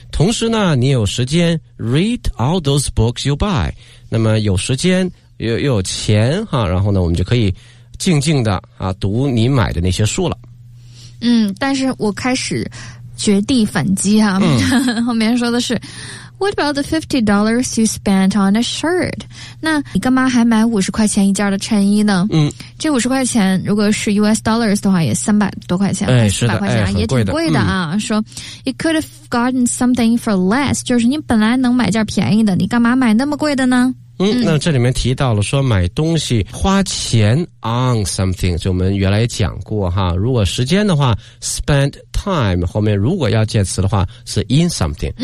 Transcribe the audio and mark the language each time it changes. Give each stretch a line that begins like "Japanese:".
Chinese: 同时呢，你有时间
English: read all those books you buy.
Chinese: 那么有时间又有钱哈、啊，然后呢，我们就可以静静的啊读你买的那些书了。嗯，但是我开始绝地反击哈、啊，嗯、后面说的是。
English: What about the $50 you spent on a shirt?
Chinese: 那你干嘛还买50块钱一件的衬衣呢？嗯，这50块钱如果是 US dollars 的话也300多块钱，哎，是的，块钱、啊哎、也挺贵的啊、嗯、说
English: You could have gotten something for less,
Chinese: 就是你本来能买件便宜的，你干嘛买那么贵的呢？嗯，那这里面提到了说买东西花钱 on something, 就我们原来讲过哈，如果时间的话 spend time, 后面如果要介词的话是 in something,